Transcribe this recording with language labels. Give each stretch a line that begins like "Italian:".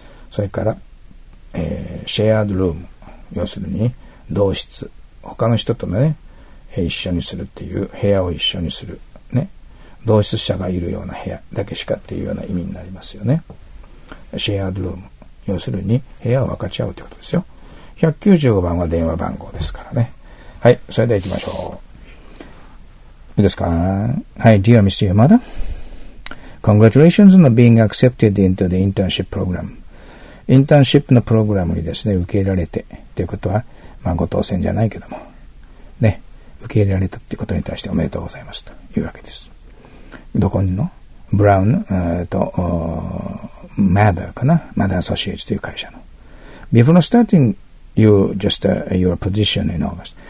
Japanese: それから、シェアードルーム、要するに、同室、他の人ともね、一緒にするっていう、部屋を一緒にする、ね、同室者がいるような部屋だけしかっていうような意味になりますよね。シェアードルーム、要するに、部屋を分かち合うということですよ。 195番は電話番号ですからね。はい、それでは行きましょう。いいですか。はい、
English: Dear Mr. Yamada, Congratulations on being accepted into the internship program.
Japanese: インターンシップのプログラムにですね、受け入れられてということは、まあ、ご当選じゃないけども、ね、受け入れられたということに対しておめでとうございますというわけです。どこにの？ブラウン、Mather かな？
English: Mather Associates
Japanese: という会社の。
English: Before starting your position in August.